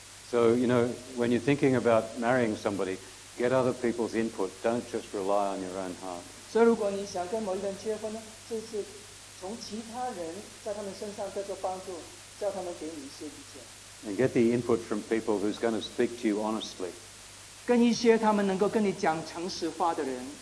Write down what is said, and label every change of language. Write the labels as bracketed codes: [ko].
[en] So, you know, when you're thinking about marrying somebody, get other people's input. Don't just rely on your own heart. [zh] So, 如果你想跟某一个人结婚呢，就是从其他人在他们身上得到帮助，叫他们给你一些意见。 [en] And get the input from people who's going to speak to you honestly. [zh] 跟一些他们能够跟你讲诚实话的人。